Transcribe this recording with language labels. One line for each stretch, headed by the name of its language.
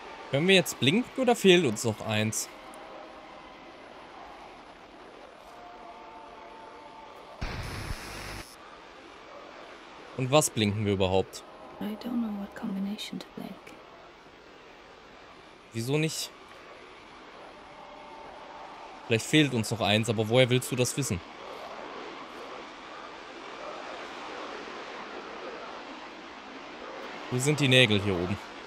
German: Können wir jetzt blinken oder fehlt uns noch eins? Und was blinken wir überhaupt?
English: I don't know what combination to blink.
German: Wieso nicht? Vielleicht fehlt uns noch eins, aber woher willst du das wissen? Wo sind die Nägel hier oben?